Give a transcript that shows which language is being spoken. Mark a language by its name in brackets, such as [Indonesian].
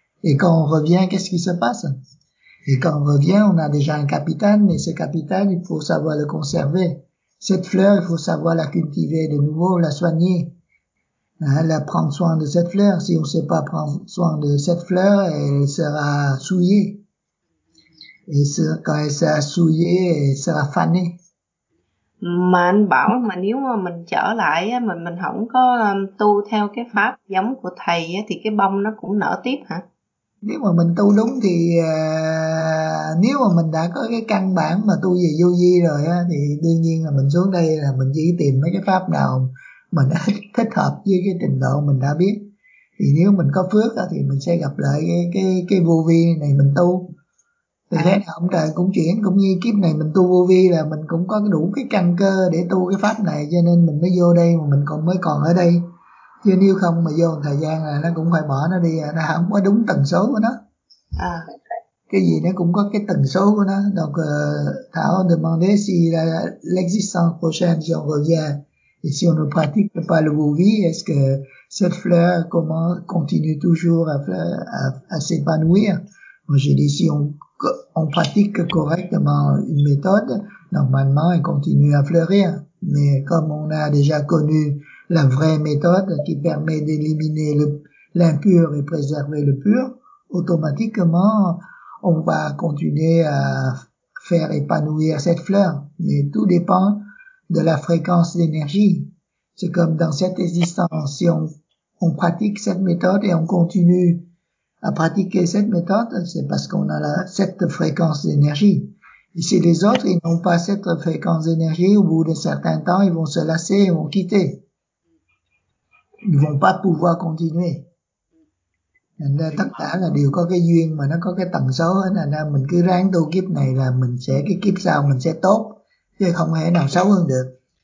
[French] Et quand on revient, qu'est-ce qui se passe? Et quand on revient, on a déjà un capitaine, mais ce capitaine, il faut savoir le conserver. Cette fleur, il faut savoir la cultiver de nouveau, la soigner. Elle a prendre soin de cette fleur. Si on ne sait pas prendre soin de cette fleur, elle sera souillée. Et quand elle sera souillée, elle sera fanée. [Vietnamese] Mà anh bảo mà nếu mà mình trở lại á, mình không có tu theo cái pháp giống của thầy á, thì cái bông nó cũng nở tiếp hả? Nếu mà mình tu đúng thì nếu mà mình đã có cái căn bản mà tu về vô vi rồi á, thì đương nhiên là mình xuống đây là mình chỉ tìm mấy cái pháp nào mình thích hợp với cái trình độ mình đã biết. Thì nếu mình có phước thì mình sẽ gặp lại cái vô vi này mình tu. Thì thế nào ông trời cũng chuyển, cũng như kiếp này mình tu vô vi là mình cũng có đủ cái căn cơ để tu cái pháp này, cho nên mình mới vô đây mà mình còn mới còn ở đây. Chứ nếu không mà vô một thời gian là nó cũng phải bỏ nó đi, nó không có đúng tần số của nó. Cái gì nó cũng có cái tần số của nó. [French] Donc Thảo demandé si l'existence prochaine si on revient. Et si on ne pratique pas le vouvi, est-ce que cette fleur comment continue toujours à s'épanouir? Moi, j'ai dit, si on pratique correctement une méthode, normalement, elle continue à fleurir. Mais comme on a déjà connu la vraie méthode qui permet d'éliminer l'impur et préserver le pur, automatiquement, on va continuer à faire épanouir cette fleur. Mais tout dépend de la fréquence d'énergie. C'est comme dans cette existence, si on pratique cette méthode et on continue à pratiquer cette méthode, c'est parce qu'on a cette fréquence d'énergie. Et si les autres, ils n'ont pas cette fréquence d'énergie, au bout d'un certain temps, ils vont se lasser, ils vont quitter. Ils vont pas pouvoir continuer. [Vietnamese] Tất cả là đều có cái duyên mà nó có cái tầng số. Mình cứ ráng tu kiếp này là mình sẽ, cái kiếp sau mình sẽ tốt. Chứ không thể nào xấu hơn được.